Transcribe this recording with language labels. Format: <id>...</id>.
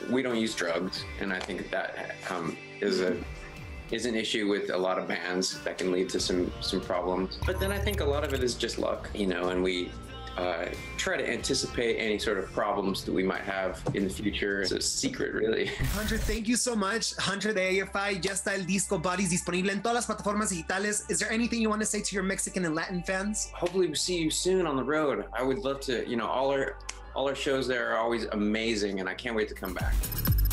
<en>We don't use drugs, and I think that is an issue with a lot of bands that can lead to some problems. But then I think a lot of it is just luck, you know, and we try to anticipate any sort of problems that we might have in the future. It's a secret, really. Hunter, thank you so much.</en> <es>Hunter de AFI, ya está el disco Bodies disponible en todas las plataformas digitales.</es> <en>Is there anything you want to say to your Mexican and Latin fans? Hopefully we see you soon on the road. I would love to, you know, all our shows there are always amazing, and I can't wait to come back.</en>